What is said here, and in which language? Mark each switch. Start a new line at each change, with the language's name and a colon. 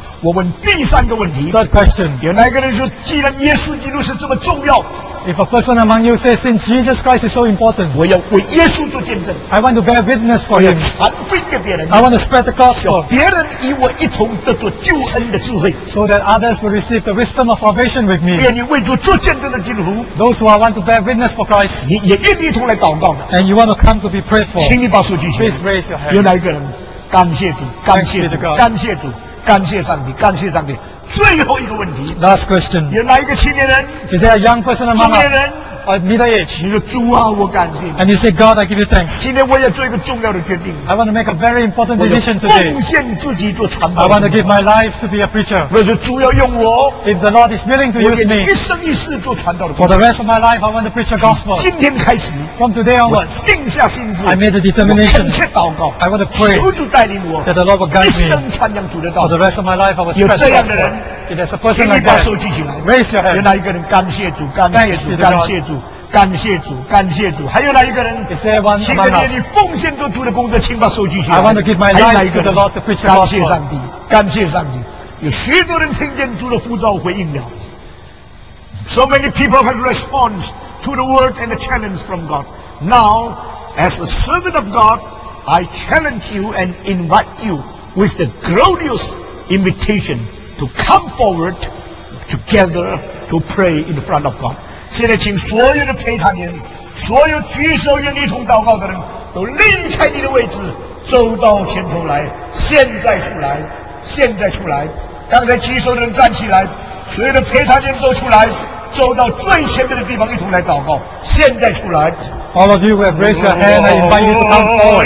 Chinese: 我问第三个问题。
English: Third question.
Chinese: 有哪个人说，既然耶稣基督是这么重要
English: ？If a person among you says, "Since Jesus Christ is so important,"
Chinese: 我要为耶稣做见证。
English: I want to bear witness for him.
Chinese: 传福音给别人。
English: I want to spread the gospel.
Chinese: 别人与我一同得着救恩的智慧。
English: So that others will receive the wisdom of salvation with me.
Chinese: 愿意为主做见证的基督徒。
English: Those who want to bear witness for Christ.
Chinese: 你也愿意一同来祷告。
English: And you want to come to be prayed for.
Chinese: 请你把手举起来。
English: Please raise your hand.
Chinese: 有哪一个人？感谢主，感谢主，感谢主，感谢上帝，感谢上帝。最后一个问题
English: ，Last question，
Chinese: 有哪一个青年人
English: ？Is there a young person among us？
Chinese: 中年人
English: ，or middle age？
Chinese: 你说主啊，我感谢你。
English: And you say, God, I give you thanks。
Chinese: 今天我要做一个重要的决定。
English: I want to make a very important decision today。
Chinese: 我要奉献自己做传道。
English: I want to give my life to be a preacher。
Chinese: 若是主要用我
English: ，If the Lord is willing to use me，
Chinese: 我一生一世做传道的。
English: For the rest of my life, I want to preach the gospel。
Chinese: 今天开始。
English: From today onwards,
Chinese: 我定下心志。
English: I made a determination.
Chinese: 我恳切祷告。
English: I want to pray.
Chinese: 求主带领我。
English: That the Lord will guide me.
Chinese: 一生传扬主的道。
English: For the rest of my life, I will spread the gospel.
Chinese: 有这样的人。
English: If there's a person like that,
Chinese: 把手举起来。
English: Raise your hand.
Chinese: 有哪一个人感谢主？感谢主，感谢主，感谢主，感谢主。还有哪一个人？
English: Is there one among us?
Chinese: 请愿意奉献做主的工作，请把手举起来。
English: I want to give my life to the Lord to preach the gospel.
Chinese: 感谢上帝，感谢上帝。有许多人听见主的呼召回应了。
English: So many people have responded to the word and the challenge from God. Now, as a servant of God, I challenge you and invite you with the glorious invitation to come forward together to pray in front of God.
Chinese: 现在请所有的陪堂人，所有举手愿意一同祷告的人，都离开你的位置，走到前头来。现在出来，现在出来。刚才举手的人站起来，所有的陪堂人都出来。走到最前面的地方，一同来祷告。现在出来
English: ，All of you who have raised your hand, I invite you to come forward.